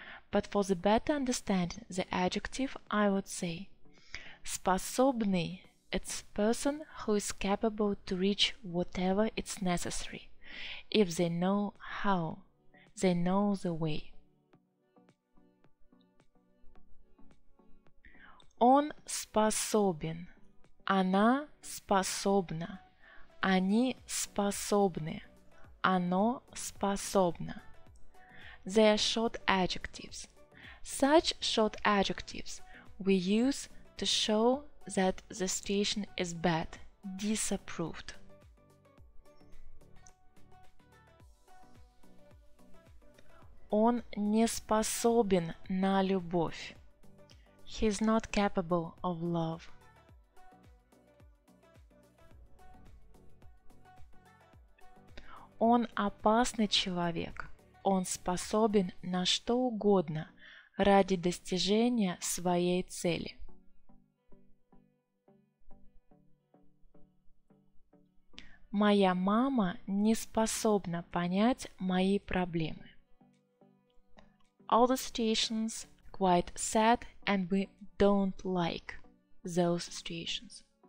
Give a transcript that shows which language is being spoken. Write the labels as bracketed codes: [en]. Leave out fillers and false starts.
[en] But for the better understanding the adjective, I would say способный – it's person who is capable to reach whatever is necessary, if they know how, they know the way. [ru] Он способен, она способна, они способны, оно способно. [en] They are short adjectives. Such short adjectives we use to show that the situation is bad, disapproved. [ru] Он не способен на любовь. [en] He is not capable of love. [ru] Он опасный человек. Он способен на что угодно ради достижения своей цели. Моя мама не способна понять мои проблемы. [en] All the situations quite sad and we don't like those situations.